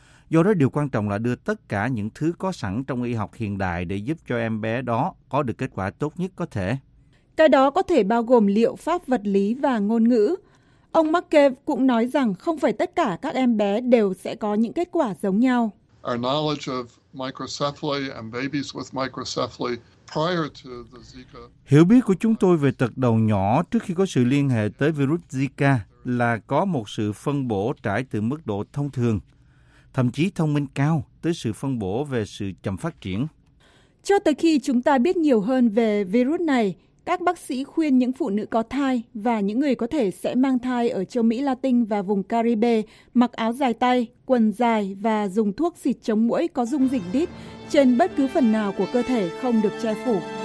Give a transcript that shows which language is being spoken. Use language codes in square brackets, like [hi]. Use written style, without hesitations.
[vi] Do đó điều quan trọng là đưa tất cả những thứ có sẵn trong y học hiện đại để giúp cho em bé đó có được kết quả tốt nhất có thể. Cái đó có thể bao gồm liệu pháp vật lý và ngôn ngữ. Ông McCabe cũng nói rằng không phải tất cả các em bé đều sẽ có những kết quả giống nhau. [en] Our knowledge of microcephaly and babies with microcephaly. [vi] Hiểu biết của chúng tôi về tật đầu nhỏ trước khi có sự liên hệ tới virus Zika là có một sự phân bổ trải từ mức độ thông thường, thậm chí thông minh cao, tới sự phân bổ về sự chậm phát triển. Cho tới khi chúng ta biết nhiều hơn về virus này, các bác sĩ khuyên những phụ nữ có thai và những người có thể sẽ mang thai ở châu Mỹ Latin và vùng Caribe mặc áo dài tay, quần dài và dùng thuốc xịt chống muỗi có dung dịch DEET trên bất cứ phần nào của cơ thể không được che phủ.